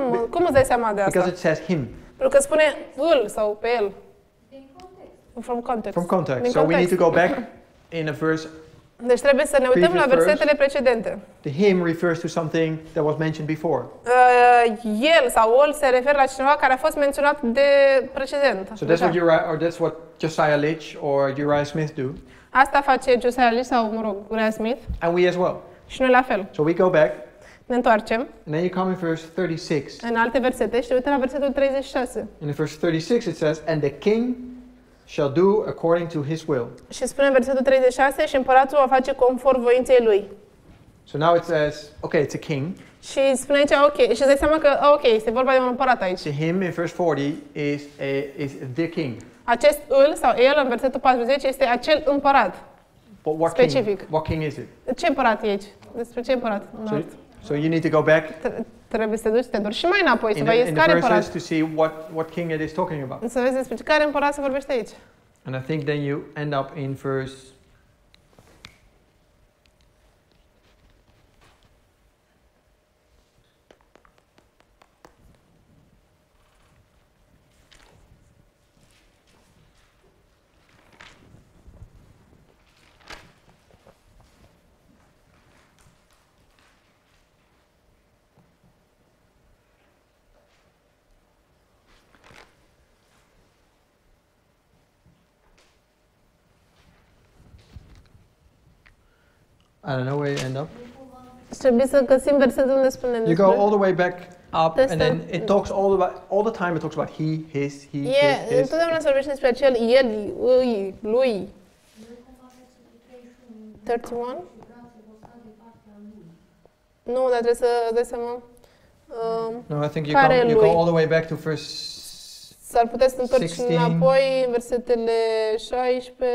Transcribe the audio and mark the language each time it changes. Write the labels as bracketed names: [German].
[Romanian] Cum îți dai seama de asta? [English] Because it says him. [Romanian] Pentru că spune îl sau pe el. [English] From context. So we need to go back in a verse. [Romanian] Deci trebuie să ne uităm la versetele precedente. [English] The him refers to something that was mentioned before. [Romanian] El sau îl se referă la cineva care a fost menționat de precedent. [English] So that's what Josiah Litch or Uriah Smith do. [Romanian] Asta face Josiah Litch sau, mă rog, Uriah Smith. [English] And we as well. [Romanian] Și noi la fel. [English] So we go back. [Romanian] Ne întoarcem. [English] And then you come in verse 36. [Romanian] În alte versete și te uită la versetul 36. [English] In verse 36 it says, and the king shall do according to his will. [Romanian] Și spune versetul 36 și împăratul va face conform voinței lui. [English] So now it says, okay, it's a king. [Romanian] Și spune aici, ok, și îți dai seama că, ok, este vorba de un împărat aici. [English] So him in verse 40 is the king. [Romanian] Acest îl sau el în versetul 40 este acel împărat. [English] But what specific. King, what king is it? [Romanian] Ce împărat e aici? Despre ce împărat? [English] So you need to go back. [Romanian] Trebuie să duci, te duci și mai înapoi să vezi care împărat. [English] In the verses to see what king it is talking about. [Romanian] Să vezi despre care împărat se vorbește aici. [English] And I think then you end up in verse. I don't know where you end up. [Romanian] Trebuie să găsim versetul unde spune. [English] You go all the way back up, [Romanian] testăm, [English] and then it talks all about all the time. It talks about he, his. [Romanian] Yeah, întotdeauna se vorbește despre acel el, îi, lui. 31? Nu, dar trebuie să dai seama. [English] No, I think you go all the way back to first. [Romanian] S-ar putea să întorci înapoi în versetele 16.